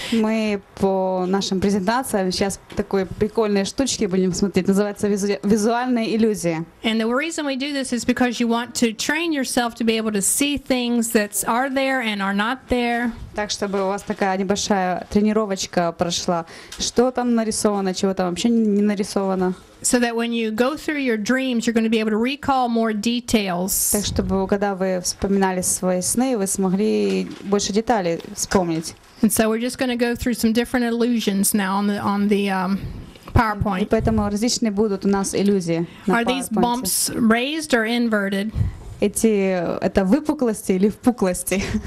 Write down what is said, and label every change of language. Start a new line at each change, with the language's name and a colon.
Russian: Мы по нашим презентациям сейчас такой прикольные штучки будем смотреть, называется визуальные иллюзии.
English: And the reason we do this is because you want to train yourself to be able to see things that are there and are not there.
Russian: Так, чтобы у вас такая небольшая тренировочка прошла. Что там нарисовано, чего там вообще не нарисовано.
English: So that when you go through your dreams, you're going to be able to recall more details.
Russian: Так, чтобы когда вы вспоминали свои сны, вы смогли больше деталей вспомнить.
English: And so we're just going to go through some different illusions now on the PowerPoint.
Russian: И поэтому различные будут у нас иллюзии на PowerPoint.
English: Are these bumps raised or inverted?
Russian: Это выпуклости или впуклости?